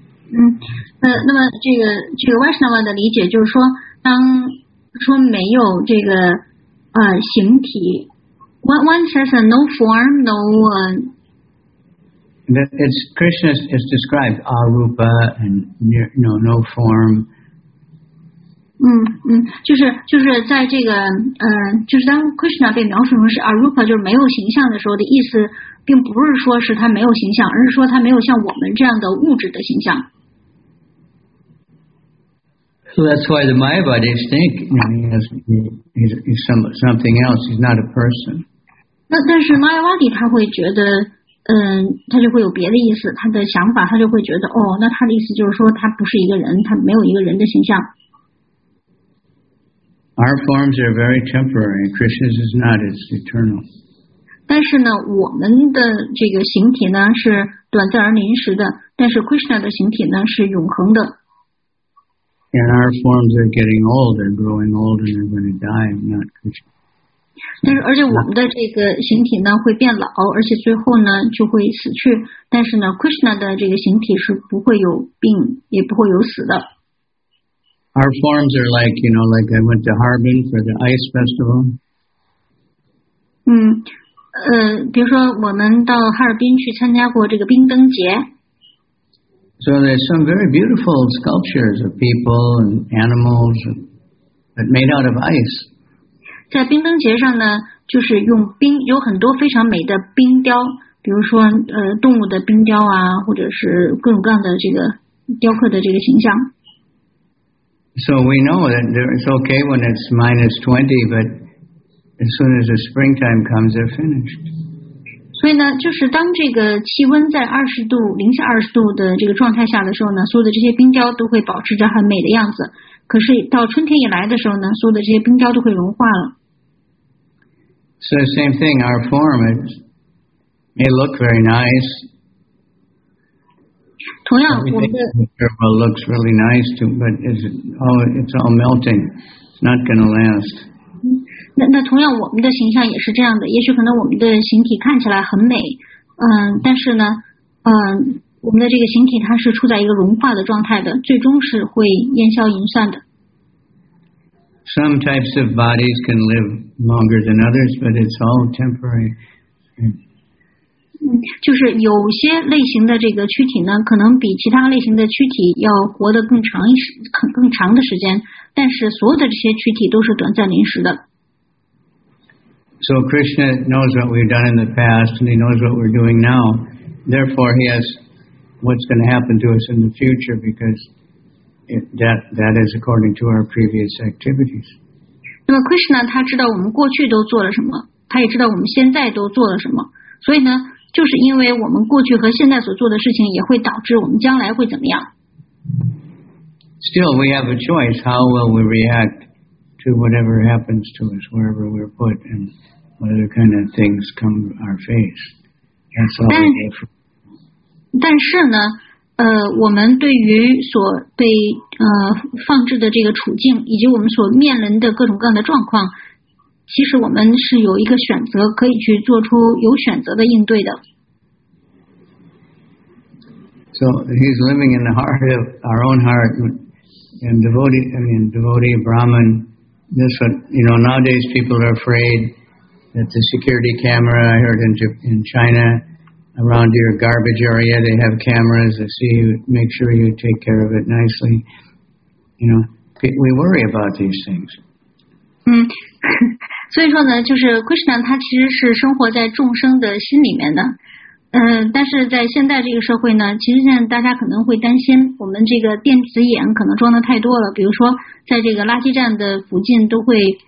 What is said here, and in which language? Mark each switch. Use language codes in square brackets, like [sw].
[zh] 嗯，那么这个 Vaishnava 的理解就是说，当说没有这个形体 ， [en] one says no form, no one. It's Krishna is described arupa and no form. [zh] 就是在这个就是当 Krishna 被描述成是 arupa 就是没有形象的时候的意思，并不是说是他没有形象，而是说他没有像我们这样的物质的形象。 [en] So that's why the Mayavadis think he's something else. He's not a person. [zh] 但是 Mayavadi 他会觉得，他就会有别的意思。他的想法，他就会觉得，哦，那他的意思就是说，他不是一个人，他没有一个人的形象。 [en] Our forms are very temporary. Krishna's is not; it's eternal. [zh] 但是呢，我们的这个形体呢是短暂而临时的，但是 Krishna 的形体呢是永恒的。 [en] And our forms are getting old, they're growing old, and they're going to die, not Krishna. [zh] 但是，而且我们的这个形体呢会变老，而且最后呢就会死去。但是呢 ，Krishna 的这个形体是不会有病，也不会有死的。 [en] Our forms are like, you know, like I went to Harbin for the ice festival. [zh] 比如说我们到哈尔滨去参加过这个冰灯节。 [en] So there's some very beautiful sculptures of people and animals, but made out of ice. [zh] 在冰灯节上呢，就是用冰，有很多非常美的冰雕，比如说动物的冰雕啊，或者是各种各样的这个雕刻的这个形象。 [en] So we know that it's okay when it's minus 20, but as soon as the springtime comes, they're finished. [zh] 所以呢，就是当这个气温在零下二十度的这个状态下的时候呢，所有的这些冰雕都会保持着很美的样子。可是到春天以来的时候呢，所有的这些冰雕都会融化了。 [en] So same thing, our form may look very nice. [zh] 同样，我们的 [en] looks really nice too, but it's all melting. It's not going to last. [zh] 那同样，我们的形象也是这样的。也许可能我们的形体看起来很美，但是呢，我们的这个形体它是处在一个融化的状态的，最终是会烟消云散的。 [en] Some types of bodies can live longer than others, but it's all temporary. [zh] 就是有些类型的这个躯体呢，可能比其他类型的躯体要活得更长的时间，但是所有的这些躯体都是短暂临时的。 [en] So Krishna knows what we've done in the past, and he knows what we're doing now. Therefore, he has what's going to happen to us in the future, because that is according to our previous activities. [zh] 那么 Krishna 他知道我们过去都做了什么，他也知道我们现在都做了什么。所以呢，就是因为我们过去和现在所做的事情，也会导致我们将来会怎么样。 [en] Still, we have a choice. How will we react to whatever happens to us, wherever we're put, and whatever kind of things come our face? That's all we have. [zh] 但是呢，我们对于所被放置的这个处境，以及我们所面临的各种各样的状况，其实我们是有一个选择，可以去做出有选择的应对的。 [en] So he's living in the heart of our own heart, and devotee Brahman. This one, you know, nowadays people are afraid that the security camera. I heard in China, around your garbage area, they have cameras to see you, make sure you take care of it nicely. You know, we worry about these things. [zh] 所以说呢，就是 Krishna 他其实是生活在众生的心里面的，但是在现在这个社会呢，其实现在大家可能会担心我们这个电子眼可能装的太多了，比如说在这个垃圾站的附近都会